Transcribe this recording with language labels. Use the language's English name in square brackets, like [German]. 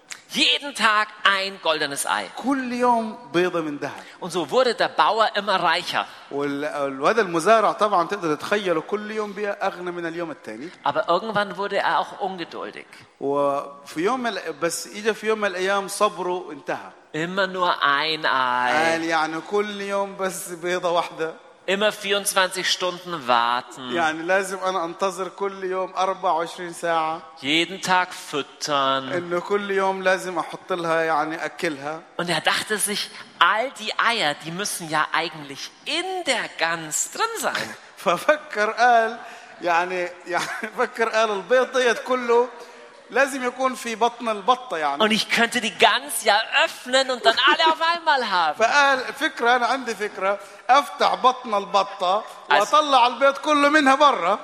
[German] Jeden Tag ein goldenes Ei. [Arabic] كل يوم بيضة من ذهب. [German] Und so wurde der Bauer immer reicher. [Arabic] وهذا المزارع طبعا تقدر تتخيله كل يوم بيها أغنى من اليوم الثاني. [German] Aber irgendwann wurde auch ungeduldig. [Arabic] وفي يوم بس إجا في يوم من الأيام صبره انتهى. [German] Immer nur ein Ei. [Arabic] يعني كل يوم بس بيضة واحدة. [German] Immer 24 Stunden warten. [Arabic] يعني لازم أنا أنتظر كل يوم 24 ساعة. [German] Jeden Tag füttern. [Arabic] إنه كل يوم لازم أحط لها يعني أكلها. [German] Und dachte sich, all die Eier, die müssen ja eigentlich in der Gans drin sein. [Arabic] ففكر قال يعني فكر قال البيض ديت كله [German] Und ich könnte die ganze ja öffnen und dann alle auf einmal haben.